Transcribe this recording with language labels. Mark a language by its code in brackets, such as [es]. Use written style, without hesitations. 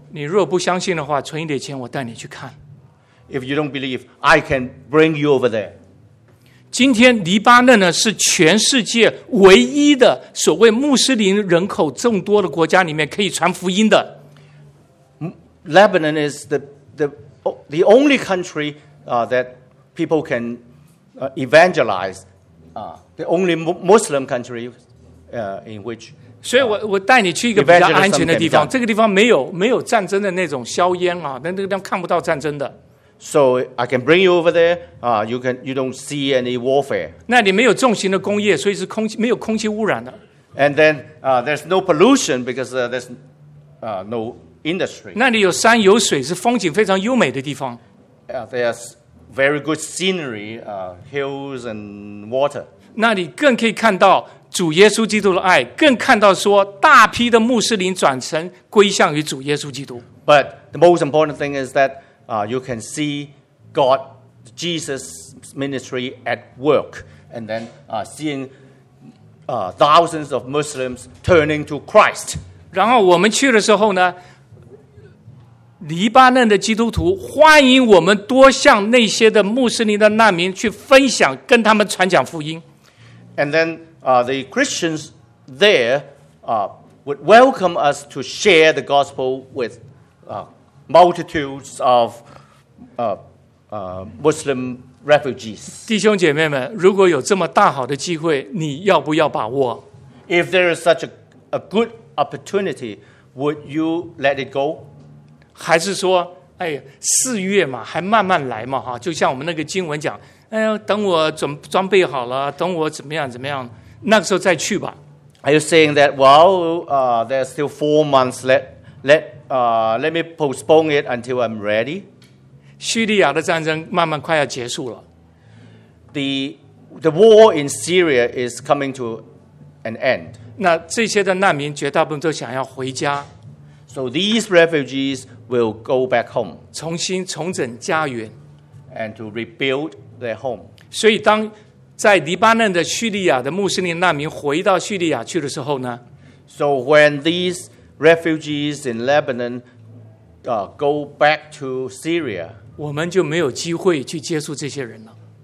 [zh] 你若不相信的话，存一点钱，我带你去看。 [en] If you don't believe, I can bring you over there. [zh] 今天黎巴嫩呢是全世界唯一的所谓穆斯林人口众多的国家里面可以传福音的。 [en] Lebanon is the only country that people can evangelize, the only Muslim country in which. [zh] 所以我带你去一个比较安全的地方。这个地方没有战争的那种硝烟啊，那个地方看不到战争的。 [en] So I can bring you over there. You don't see any warfare. [zh] 那里没有重型的工业，所以是空气没有空气污染的。 [en] And then there's no pollution because there's no industry. [zh] 那里有山有水，是风景非常优美的地方。 [en] There's very good scenery, hills and water. [zh] 那里更可以看到主耶稣基督的爱，更看到说大批的穆斯林转成归向于主耶稣基督。 [en] But the most important thing is that. You can see God, Jesus' ministry at work, and then seeing thousands of Muslims turning to Christ. [zh] 然后我们去的时候呢，黎巴嫩的基督徒欢迎我们多向那些的穆斯林的难民去分享，跟他们传讲福音。 [en] And then the Christians there would welcome us to share the gospel with. Multitudes of Muslim refugees. [zh] 弟兄姐妹们，如果有这么大好的机会，你要不要把握 [en] ？If there is such a good opportunity, would you let it go? [zh] 还是说，哎呀，四月嘛，还慢慢来嘛，哈，就像我们那个经文讲，哎呀，等我装备好了，等我怎么样，那个时候再去吧。 [en] Are you saying that? Well, there's still 4 months left. Let me postpone it until I'm ready. [zh] 叙利亚的战争慢慢快要结束了。 [en] The war in Syria is coming to an end. [zh] 那这些的难民绝大部分都想要回家。 [en] So these refugees will go back home. [zh] 重新重整家园。 [en] And to rebuild their home. [zh] 所以当在黎巴嫩的叙利亚的穆斯林难民回到叙利亚去的时候呢 [en] ？So when these refugees in Lebanon go back to Syria. [zh] 我们就没有机会去接触这些人了。